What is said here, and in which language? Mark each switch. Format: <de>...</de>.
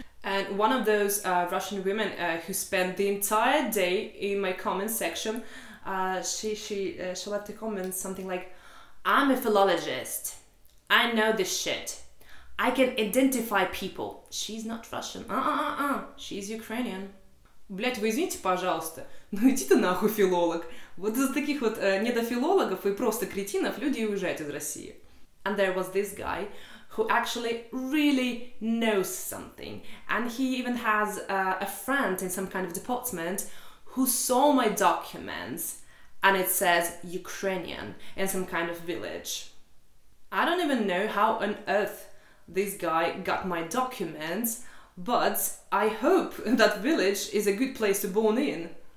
<en>And one of those Russian women who spent the entire day in my comment section, she left a comment something like, I'm a philologist, I know this shit, I can identify people. She's not Russian. She's Ukrainian.</en> <ru>Блять, вы извините, пожалуйста. Ну иди ты нахуй, филолог. Вот из таких вот недофилологов и просто кретинов люди уезжают из России.</ru> <en>And there was this guy who actually really knows something. And he even has a friend in some kind of department who saw my documents and it says Ukrainian in some kind of village. I don't even know how on earth this guy got my documents, but I hope that village is a good place to born in.</en>